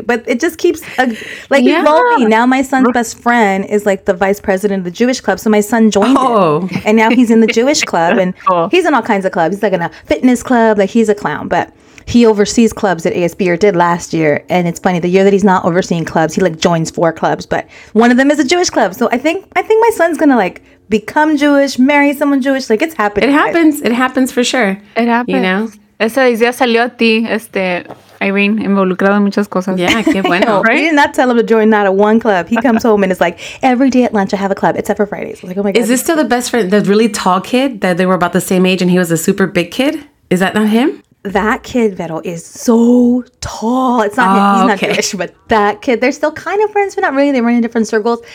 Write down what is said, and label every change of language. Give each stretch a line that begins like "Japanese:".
English: But it just keeps evolving. Now my son's best friend is like the vice president of the Jewish club, so my son joined and now he's in the Jewish club, and he's in all kinds of clubs. He's like in a fitness club, like, he's a clown, but he oversees clubs at ASB, or did last year. And it's funny, the year that he's not overseeing clubs, he like joins 4 clubs, but one of them is a Jewish club. So I think my son's gonna like become Jewish, marry someone Jewish, like, it's happening. It happens for sure, you know.
Spanish: Ese día salió a ti, Irene, involucrado en muchas cosas. Yeah, qué bueno.
English: Right? We did not tell him to join not a one club. He comes home and is like, every day at lunch I have a club, except for Fridays. I was like, oh my God. Is this still the best friend, the really tall kid, that they were about the same age and he was a super big kid? Is that not him? That kid, Vero, is so tall. It's not him. He's not Jewish, but that kid. They're still kind of friends, but not really. They run in different circles.